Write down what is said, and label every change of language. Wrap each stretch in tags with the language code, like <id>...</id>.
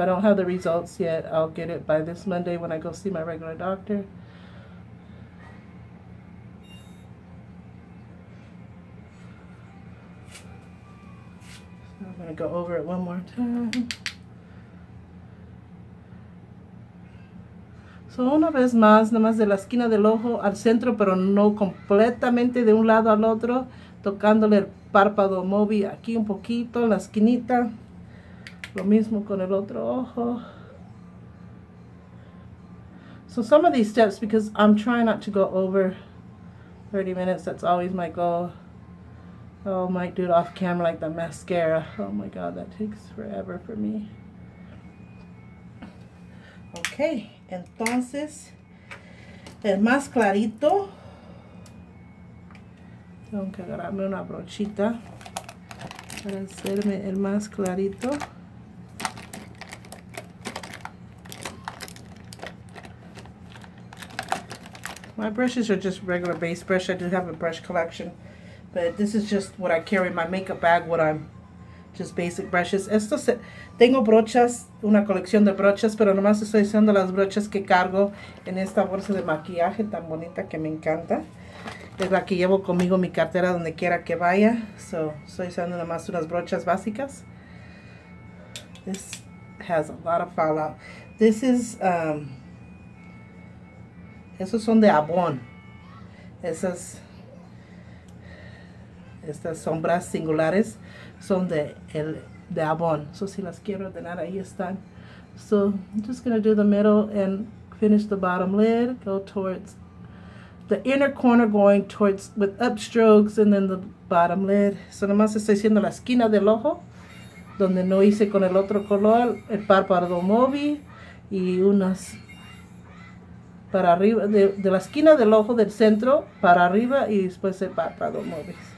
<en>I don't have the results yet. I'll get it by this Monday when I go see my regular doctor. I'm going to go over it one more time.</en> <es>So una vez más, nada más de la esquina del ojo al centro, pero no completamente de un lado al otro, tocándole el párpado móvil aquí un poquito, en la esquinita. Lo mismo con el otro ojo.</es> <en>So some of these steps, because I'm trying not to go over 30 minutes, that's always my goal. Oh, might do it off camera like the mascara. Oh my God, that takes forever for me.</en> <es>Okay, entonces, el más clarito. Tengo que agarrarme una brochita para hacerme el más clarito.</es> <en>My brushes are just regular base brush. I do have a brush collection, but this is just what I carry in my makeup bag when I'm just basic brushes.</en> <es>Tengo brochas, una colección de brochas, pero nomás estoy usando las brochas que cargo en esta bolsa de maquillaje tan bonita que me encanta. Es la que llevo conmigo mi cartera donde quiera que vaya. So, estoy usando nomás unas brochas básicas.</es> <en>This has a lot of fallout. This is,</en> <es>esos son de Avon. Estas sombras singulares son de Avon. So si las quiero ordenar, ahí están.</es> <en>So I'm just going to do the middle and finish the bottom lid. Go towards the inner corner going towards with upstrokes and then the bottom lid.</en> <es>So nomás estoy haciendo la esquina del ojo, donde no hice con el otro color, el párpado móvil y unas... Para arriba, de la esquina del ojo del centro, para arriba y después el párpado móvil.</es>